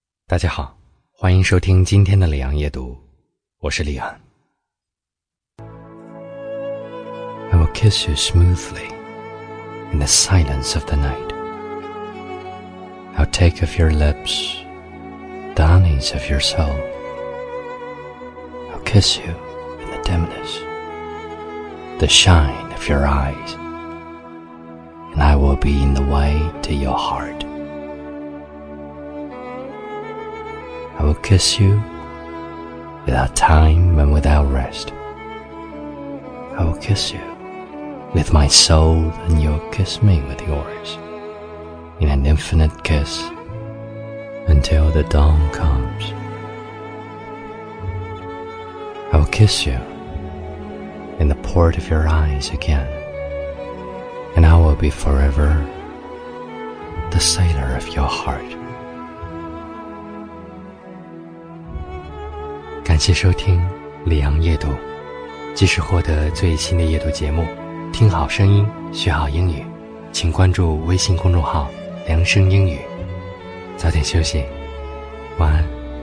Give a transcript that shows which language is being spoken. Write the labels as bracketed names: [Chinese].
[Chinese] 大家好，欢迎收听今天的李昂夜读，我是李昂。 [English] I will kiss you smoothly in the silence of the night. I'll take of your lips the honeys of your soul. I'll kiss you in the dimness, the shine of your eyes. And I will be in the way to your heart. I will kiss you without time and without rest. I will kiss you with my soul, and you'll kiss me with yours in an infinite kiss until the dawn comes. I will kiss you in the port of your eyes again, and I will be forever the sailor of your heart. [Chinese] 感谢收听李昂夜读，即使获得最新的夜读节目，听好声音，学好英语，请关注微信公众号梁声英语。早点休息，晚安。